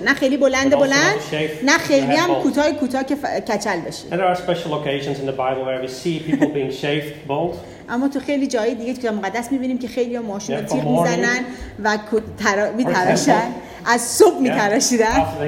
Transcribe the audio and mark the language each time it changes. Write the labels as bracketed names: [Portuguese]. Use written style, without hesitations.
[Persian] نه خیلی بلند بلند، نه خیلی هم کوتاه کوتاه که کچل بشه. [English] There are special occasions in the Bible where we see people being shaved bald. [Persian] اما تو خیلی جایی دیگه که مقدس میبینیم که خیلی ها ماشون رو تیغ میزنن و میتراشن، از صبح میتراشیدن